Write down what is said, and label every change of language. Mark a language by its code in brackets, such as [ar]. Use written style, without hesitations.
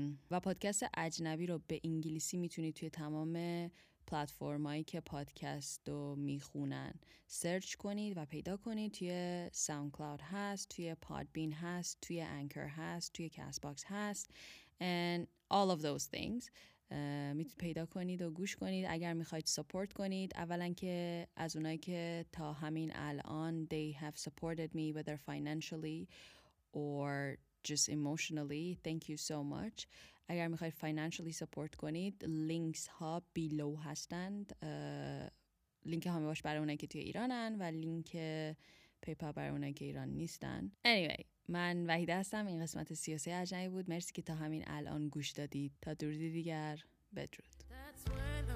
[fa] و پادکست اجنبی رو به انگلیسی میتونید توی تمام پلتفرمایی که پادکست رو میخونن سرچ کنید و پیدا کنید. توی ساوندکلاود هست، توی پادبین هست، توی انکر هست، توی کست باکس هست [en] and all of those things. [fa] میتونید پیدا کنید و گوش کنید. اگر میخواید سپورت کنید، اولا که از اونایی که تا همین الان [en] they have supported me whether financially or just emotionally, thank you so much. [fa] اگر میخواید [en] financially support [fa] کنید links ها below هستند. لینک همه باش برای اونه که توی ایرانن و لینک پیپال برای اونه که ایران نیستن. [en] Anyway, [fa] من وحیده هستم. این قسمت 33 اجنبی بود. مرسی که تا همین الان گوش دادید. تا درود دیگر. بدرود. [en] That's where